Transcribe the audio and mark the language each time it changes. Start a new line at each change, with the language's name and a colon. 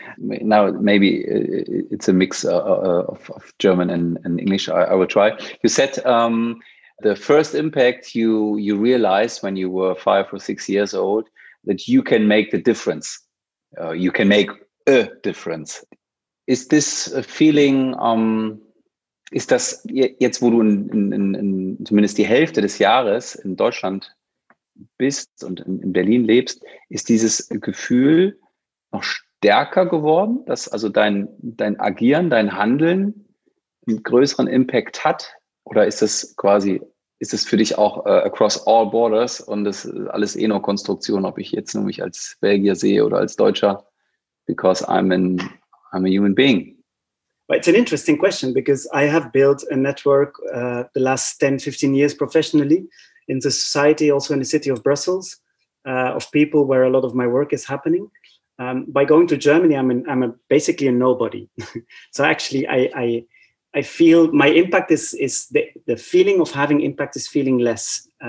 English: Now, maybe it's a mix of German and English. I will try. You said the first impact you realized when you were 5 or 6 years old, that you can make the difference. You can make a difference. Is this a feeling...
German: ist das jetzt, wo du in zumindest die Hälfte des Jahres in Deutschland bist und in Berlin lebst, ist dieses Gefühl noch stärker geworden, dass also dein Agieren, dein Handeln einen größeren Impact hat? Oder ist das quasi, ist es für dich auch
English: across all borders
German: und das ist alles eh nur Konstruktion, ob ich jetzt nämlich als Belgier sehe oder als Deutscher,
English: because I'm a human being? But it's an interesting question, because I have built a network the last 10, 15 years professionally in the society, also in the city of Brussels, of people where a lot of my work is happening. By going to Germany, I'm basically a nobody. So actually, I feel my impact is the feeling of having impact is feeling less.